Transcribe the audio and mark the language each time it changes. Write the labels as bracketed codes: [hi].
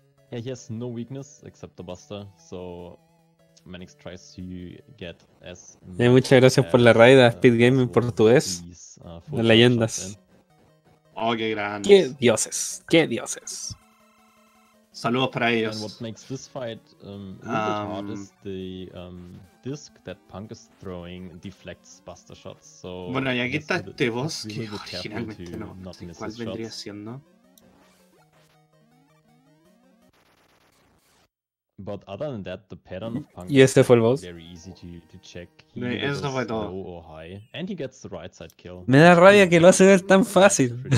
[en] yeah, he has no weakness except the Buster, so... Manix tries to get as much. [es] Muchas gracias por la raid a Speed Game en portugués. De leyendas. Oh, qué grande. Qué dioses. Qué dioses. Saludos para ellos. [en] And what makes this fight a little bit hard is the disc that Punk is throwing deflects Buster shots. So [es] bueno, y aquí está este boss que originalmente no. ¿Cuál vendría shots siendo? [en] But other than that, the pattern of Punk is very easy to check. [es] Eso fue todo. [en] Low or high, and he gets the right side kill. [es] Me da rabia que lo hace ver tan fácil.